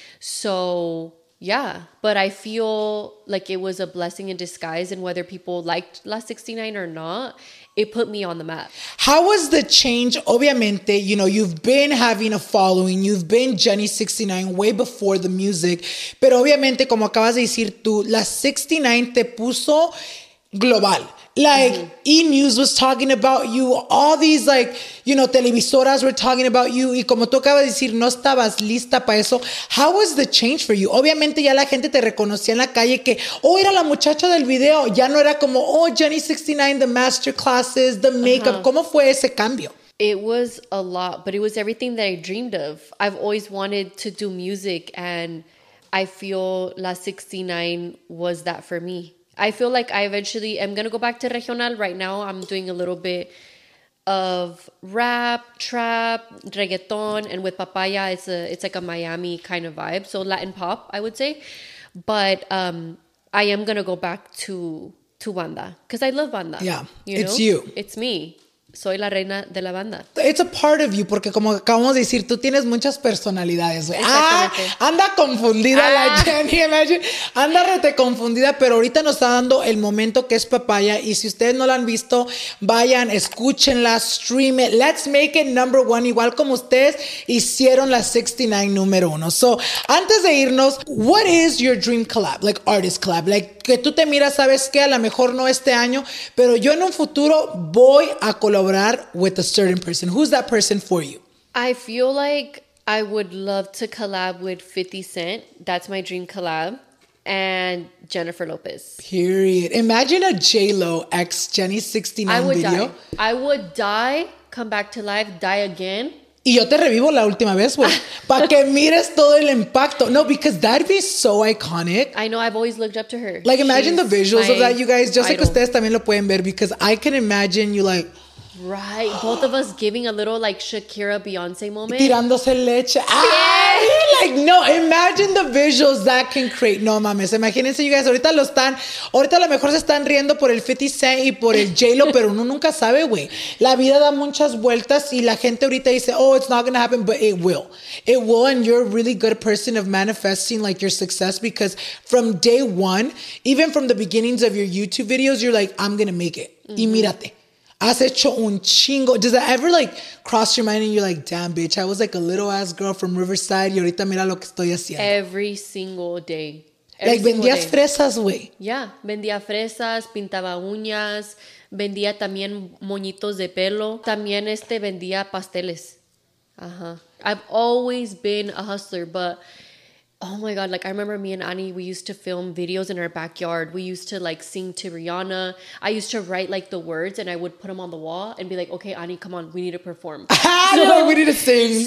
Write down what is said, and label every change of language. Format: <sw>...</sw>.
<en>So, yeah. But I feel like it was a blessing in disguise. And whether people liked La 69 or not, it put me on the map. How was the change? Obviamente, you know, you've been having a following. You've been Jenny 69 way before the music.</en> <es>Pero obviamente, como acabas de decir tú, La 69 te puso global.</es> <en>Like, mm-hmm. E! News was talking about you. All these, like, you know, televisoras were talking about you.</en> <es>Y como tú acabas de decir, no estabas lista para eso.</es> <en>How was the change for you?</en> <es>Obviamente ya la gente te reconocía en la calle que, oh, era la muchacha del video. Ya no era como, oh, Jenny 69,</es> <en>the masterclasses, the makeup.</en> <es>Uh-huh. ¿Cómo fue ese cambio?</es> <en>It was a lot, but it was everything that I dreamed of. I've always wanted to do music, and I feel La 69 was that for me. I feel like I eventually am going to go back to regional. Right now, I'm doing a little bit of rap, trap, reggaeton. And with Papaya, it's like a Miami kind of vibe. So Latin pop, I would say. But I am going to go back to banda because I love banda. Yeah, you it's know? You. It's me.</en> <es>Soy la reina de la banda.</es> <en>It's a part of you,</en> <es>porque como acabamos de decir, tú tienes muchas personalidades. Ah, anda confundida la Jenny, imagine. Anda rete confundida, pero ahorita nos está dando el momento que es Papaya. Y si ustedes no la han visto, vayan, escúchenla,</es> <en>stream it. Let's make it number one,</en> <es>igual como ustedes hicieron La 69 número uno.</es> <en>So,</en> <es>antes de irnos,</es> <en>what is your dream collab? Like, artist collab.</en> <es>Like, que tú te miras, ¿sabes qué? A lo mejor no este año, pero yo en un futuro voy a colaborar</es> <en>with a certain person. Who's that person for you? I feel like I would love to collab with 50 Cent. That's my dream collab. And Jennifer Lopez. Period. Imagine a J-Lo x Jenny 69 video. I would die. come back to life, die again.</en> <es>Y yo te revivo la última vez, güey. Para que mires todo el impacto.</es> <en>No, because that'd be so iconic. I know, I've always looked up to her. Like, imagine She's the visuals of that, you guys.</en> <es>Yo sé que ustedes también lo pueden ver,</es> <en>because I can imagine you like... Right, both of us giving a little like Shakira Beyonce moment.</en> <es>Tirándose leche.</es> <en>Ay, yes. Like, no, imagine the visuals that can create.</en> <es>No mames, imagínense,</es> <en>you guys,</en> <es>ahorita lo están, ahorita a lo mejor se están riendo por el 50 Cent y por el J-Lo, pero uno nunca sabe, güey. La vida da muchas vueltas y la gente ahorita dice, oh,</es> <en>it's not gonna happen, but it will. It will, and you're a really good person of manifesting like your success, because from day one, even from the beginnings of your YouTube videos, you're like, I'm gonna make it. Mm-hmm.</en> <es>Y mírate. Has hecho un chingo.</es> <en>Does that ever like cross your mind and you're like, damn, bitch, I was like a little ass girl from Riverside</en> <es>y ahorita mira lo que estoy haciendo.</es> <en>Every single day. Every</en> <es>like, vendías day. Fresas, güey. Yeah, vendía fresas, pintaba uñas, vendía también moñitos de pelo. También vendía pasteles. Uh-huh.</es> <en>I've always been a hustler, but oh my God, like I remember me and Ani, we used to film videos in our backyard. We used to like sing to Rihanna. I used to write like the words and I would put them on the wall and be like, okay, Ani, come on, we need to perform. We need to sing.</en>